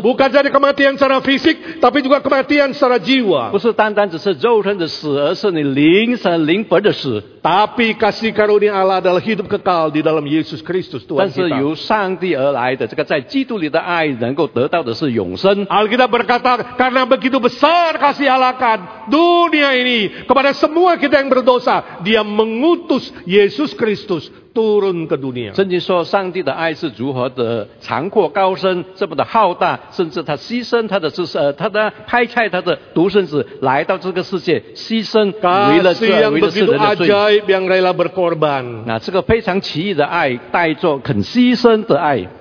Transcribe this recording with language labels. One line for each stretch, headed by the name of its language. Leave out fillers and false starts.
Indonesian: Bukan jadi kematian secara fisik, tapi juga kematian secara jiwa。
Chinese: 不是单单只是肉身的死，而是你灵神灵魂的死。
Indonesian: Tapi kasih karunia Allah adalah hidup kekal di dalam Yesus Kristus Tuhan kita。
Chinese: 但是由上帝而来的这个在基督里的爱，能够得到的是永生。
Indonesian: Alkitab berkata karena begitu besar kasih Allah kan dunia ini kepada semua kita yang berdosa, Dia mengutus Yesus Kristus turun ke dunia。
Chinese: 圣经说上帝的爱是如何的长阔高深，这么的浩大，甚至他牺牲他的他的派差他的独生子来到这个世界，牺牲为了这样的世人的罪。
Indonesian: Yang rela berkorban。
Chinese: 这个非常奇异的爱，带着肯牺牲的爱。